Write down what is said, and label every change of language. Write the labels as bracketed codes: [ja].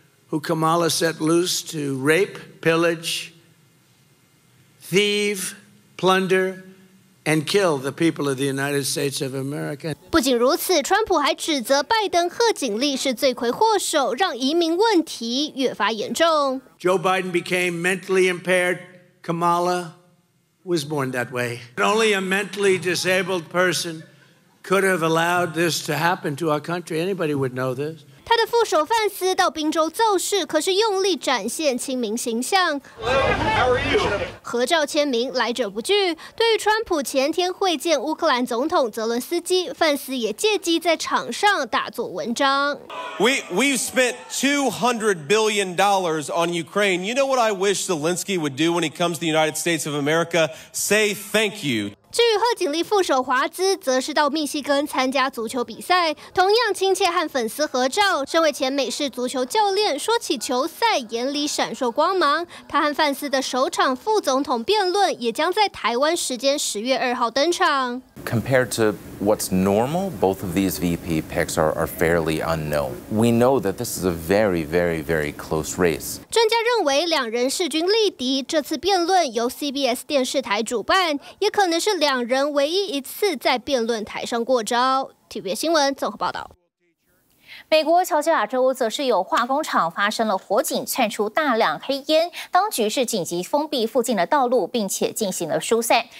[en] Who Kamala set loose to rape, pillage, thieve, plunder, and kill the people of the United States of America. [zh] 不仅如此，川普还指责拜登、贺锦丽是罪魁祸首，让移民问题越发严重。 [en] Joe Biden became mentally impaired. Kamala was born that way. Only a mentally disabled person could have allowed this to happen to our country. Anybody would know this. [zh] 他的副手范斯到宾州造势，可是用力展现亲民形象，合照签名来者不拒。对于川普前天会见乌克兰总统泽伦斯基，范斯也借机在场上大做文章。 [en] We've spent $200 billion on Ukraine. You know what I wish Zelensky would do when he comes to the United States of America? Say thank you. [zh] 至于贺锦丽副手华兹，则是到密西根参加足球比赛，同样亲切和粉丝合照。身为前美式足球教练，说起球赛，眼里闪烁光芒。他和范斯的首场副总统辩论，也将在台湾时间10月2日登场。 [en] Compared to what's normal, both of these VP picks are fairly unknown. We know that this is a very, very, very close race. [zh] 专家认为，两人势均力敌。这次辩论由 CBS 电视台主办，也可能是两人唯一一次在辩论台上过招。 TVBS 新闻综合报道。美国乔治亚州则是有化工厂发生了火警，窜出大量黑烟，当局是紧急封闭附近的道路，并且进行了疏散。